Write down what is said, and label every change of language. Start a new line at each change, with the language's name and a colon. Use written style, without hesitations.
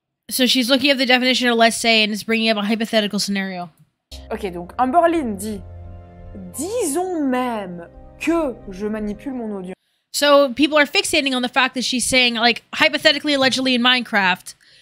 English: So she's looking at the definition of let's say and is bringing up a hypothetical scenario.
French: Ok, donc Amberlynn dit, disons même que je manipule mon audience.
English: So people are fixating on the fact that she's saying, like, hypothetically, allegedly in Minecraft.